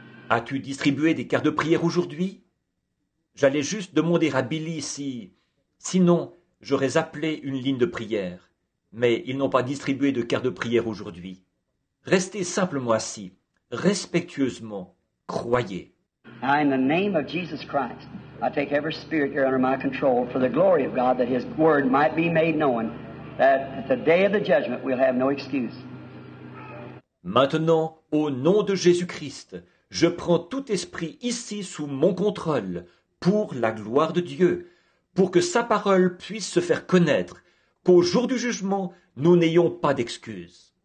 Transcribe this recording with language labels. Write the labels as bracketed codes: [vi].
[fr] As-tu distribué des cartes de prière aujourd'hui? J'allais juste demander à Billy si... Sinon, j'aurais appelé une ligne de prière. Mais ils n'ont pas distribué de cartes de prière aujourd'hui. Restez simplement assis. Respectueusement, croyez. [en] In the name of Jesus Christ, I take every spirit here under my control for the glory of God, that his word might be made known, that at the day of the judgment we'll have no excuse. [fr] Maintenant, au nom de Jésus-Christ, je prends tout esprit ici sous mon contrôle pour la gloire de Dieu, pour que sa parole puisse se faire connaître, qu'au jour du jugement, nous n'ayons pas d'excuse.